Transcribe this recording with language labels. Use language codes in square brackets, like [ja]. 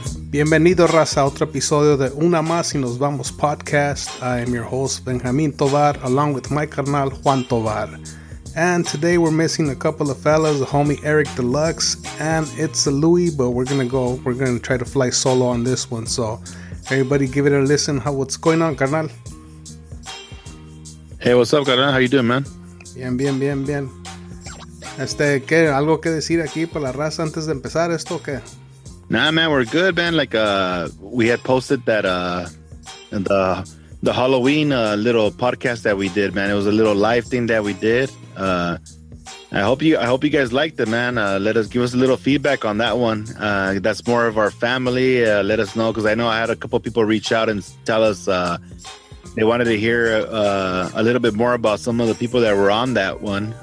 [es] Bienvenido, raza, a otro episodio de Una Más y Nos Vamos podcast. [en] I am your host, Benjamin Tovar, along with my carnal, Juan Tovar. And today we're missing a couple of fellas, the homie Eric Deluxe, and it's a Louis, but we're gonna try to fly solo on this one. So everybody give it a listen. What's going on, carnal? Hey, what's up, carnal? How you doing, man? [es] Bien. ¿Qué? ¿Algo que decir aquí para la raza antes de empezar esto o qué? [en] Nah, man, we're good, man. Like, we had posted that, the Halloween, little podcast that we did, man. It was a little live thing that we did. I hope you guys liked it, man. Give us a little feedback on that one. That's more of our family. Let us know. Cause I know I had a couple people reach out and tell us, they wanted to hear, a little bit more about some of the people that were on that one.